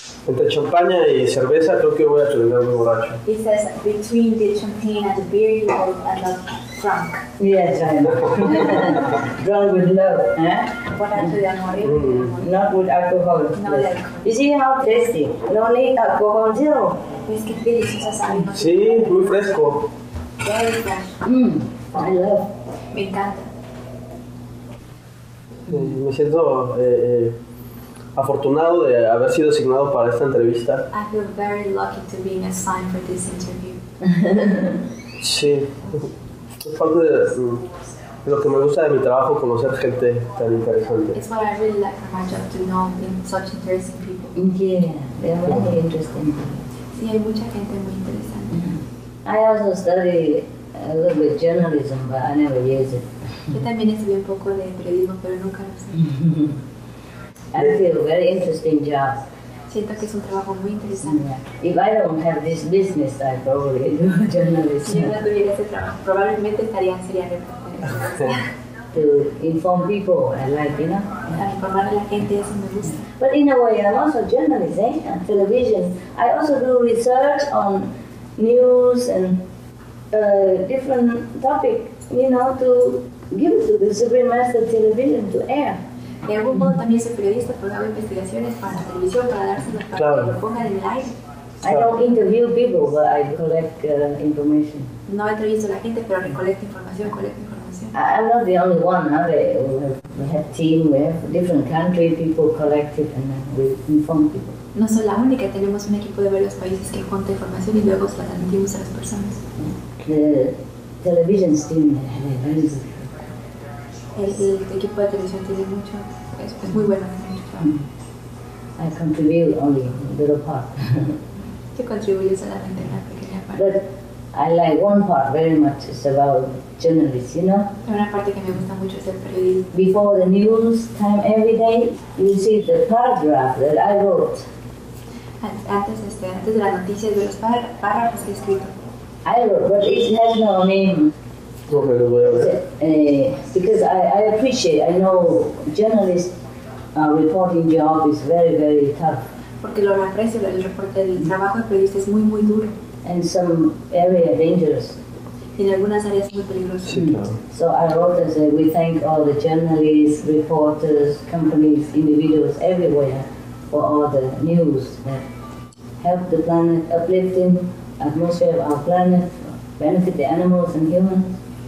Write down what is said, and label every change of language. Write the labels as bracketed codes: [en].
[es] Entre champaña y cerveza, creo que voy a terminar muy borracho. [en] He says, between the champagne and the beer, you will end up drunk. Yes, I know. Drunk with love, eh? Mm-hmm. Not with alcohol. No, yes. You see how tasty? No need alcohol, zero. [es] Es que delicioso, ¿sabes? Sí, muy fresco. [en] Very fresh. Mm, I love. [es] Me encanta. Me siento afortunado de haber sido asignado para esta entrevista. [en] I feel very lucky to be assigned for this interview. [es] Sí. Es parte de lo que me gusta de mi trabajo, conocer gente tan interesante. [en] It's what I really like from my job, to know such interesting people. Yeah, they are very interesting. [es] Sí, hay mucha gente muy interesante. [en] Mm-hmm. I also study a little bit journalism, but I never use it. [es] Yo también estudié un poco de periodismo, pero nunca lo usé. [en] I feel very interesting job. [es] Siento que es un trabajo muy interesante. Yeah. [en] If I don't have this business, I probably do journalism. [es] Si yo no tuviera ese trabajo, probablemente estaría en serie de [en] to inform people, I like, you know. [es] Para informar a la gente, eso me gusta. [en] But in a way, I'm also a journalist, eh? And television. I also do research on news and different topic, you know, to give to the Supreme Master Television to air. [es] De algún modo también soy periodista, pero hago investigaciones para la televisión para dárselo para claro. Que lo ponga en el aire. [en] I don't interview people, but I collect information. [es] No entrevisto a la gente, pero recolecto información, [en] I'm not the only one, no? we have team, we have different country people collected and then we inform people. [es] No soy la única, tenemos un equipo de varios países que junta información y luego se la transmitimos a las personas. [en] The television team, is [es] El equipo de televisión tiene mucho, es muy bueno. Mucho. [en] I contribute only a little part. [es] Yo contribuyo solamente una pequeña parte. [en] But I like one part very much, it's about journalists, you know? [es] Una parte que me gusta mucho es el periodismo. [en] Before the news time every day, you see the paragraph that I wrote. [es] Antes de las noticias, de los párrafos que he escrito. [en] I wrote, but it has no name. Because I appreciate, I know journalists reporting job is very, very tough. [es] Porque lo aprecio, el reporte del trabajo de periodista es muy, muy duro. [en] And some area dangerous. [es] En algunas áreas muy peligrosas. Sí, claro. [en] So I wrote and said, we thank all the journalists, reporters, companies, individuals, everywhere for all the news that help the planet, uplifting atmosphere of our planet, benefit the animals and humans.